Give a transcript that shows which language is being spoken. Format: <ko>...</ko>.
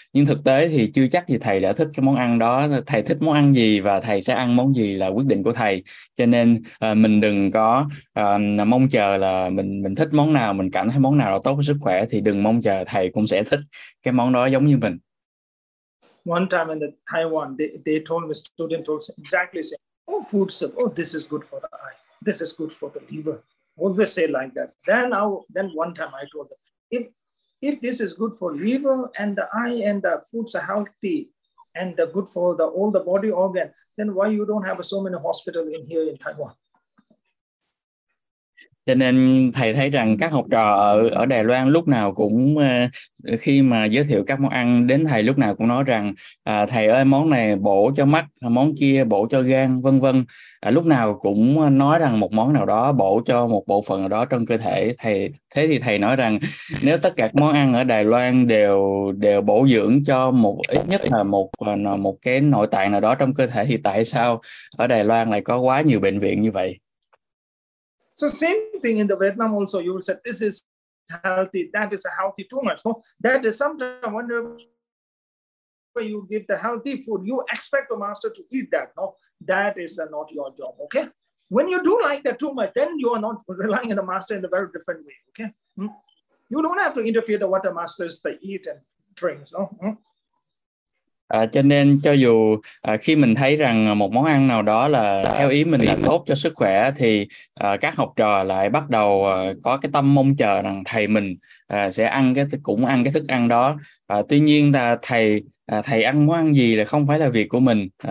<vi>Nhưng thực tế thì chưa chắc gì thầy đã thích cái món ăn đó. Thầy thích món ăn gì và thầy sẽ ăn món gì là quyết định của thầy. Cho nên mình đừng có mong chờ là mình thích món nào, mình cảm thấy món nào là tốt cho sức khỏe thì đừng mong chờ thầy cũng sẽ thích cái món đó giống như mình.</vi> <en>One time in the Taiwan, they told the student told exactly same. Oh, food serve. Oh, this is good for the eye. This is good for the liver. Always say like that. Then one time I told them, if this is good for liver and the eye and the foods are healthy and the good for the all the body organ, then why you don't have so many hospitals in here in Taiwan?</en> <vi>Cho nên thầy thấy rằng các học trò ở Đài Loan lúc nào cũng khi mà giới thiệu các món ăn đến thầy lúc nào cũng nói rằng thầy ơi món này bổ cho mắt, món kia bổ cho gan vân vân, lúc nào cũng nói rằng một món nào đó bổ cho một bộ phận nào đó trong cơ thể thầy. Thế thì thầy nói rằng nếu tất cả các món ăn ở Đài Loan đều bổ dưỡng cho một ít nhất là một cái nội tạng nào đó trong cơ thể thì tại sao ở Đài Loan lại có quá nhiều bệnh viện như vậy?</vi> <en>So same thing in the Vietnam also, you will say, this is healthy, that is a healthy too much. No? That is sometimes when you give the healthy food, you expect the master to eat that. No, that is not your job, okay? When you do like that too much, then you are not relying on the master in a very different way, okay? Mm? You don't have to interfere with what the masters they eat and drink, no? Mm?</en> <vi>Cho nên cho dù khi mình thấy rằng một món ăn nào đó là theo ý mình là tốt cho sức khỏe thì các học trò lại bắt đầu có cái tâm mong chờ rằng thầy mình sẽ ăn cái thức ăn đó. Tuy nhiên là thầy ăn món ăn gì là không phải là việc của mình.</vi>